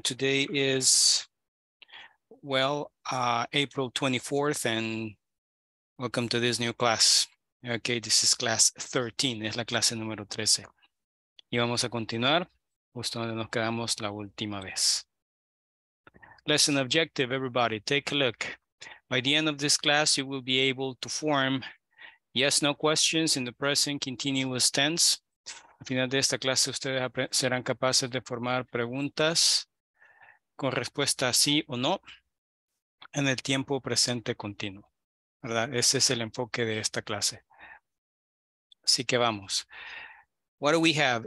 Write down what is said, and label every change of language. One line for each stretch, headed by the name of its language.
English: Today is, well, April 24th, and welcome to this new class. Okay, this is class 13,
Spanish: es la clase número 13. Y vamos a continuar justo donde nos quedamos la última vez.
English: Lesson objective, everybody, take a look. By the end of this class, you will be able to form yes, no questions in the present continuous tense.
Spanish: Al final de esta clase, ustedes serán capaces de formar preguntas con respuesta sí o no en el tiempo presente continuo, ¿verdad? Ese es el enfoque de esta clase. Así que vamos.
English: What do we have?